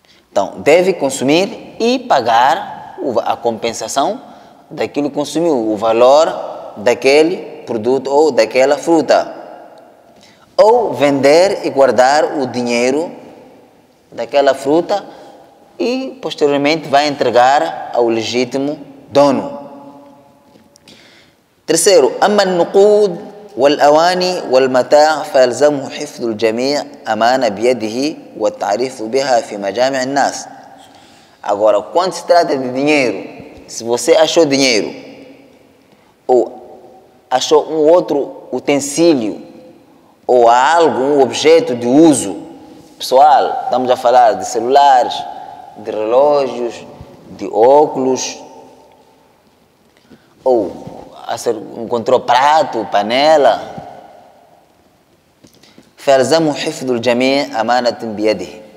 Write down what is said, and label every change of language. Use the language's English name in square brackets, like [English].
[Portuguese] Então, deve consumir e pagar a compensação daquilo que consumiu, o valor daquele produto ou daquela fruta. Ou vender e guardar o dinheiro daquela fruta e posteriormente vai entregar ao legítimo dono. Terceiro, [Arabic] أما النقود والأواني والمتاع فيلزمه حفظ الجميع أمانة بيده والتعريف بها في مجامع الناس. [Portuguese] Agora, quando se trata de dinheiro, se você achou dinheiro ou achou um outro utensílio ou algo, um objeto de uso pessoal, estamos a falar de celulares, de relógios, de óculos, ou encontrou prato, panela, [Arabic] فَلْزَمُ حِفْدُ الْجَمِيعِ أَمَانَةٍ بِيَدِهِ.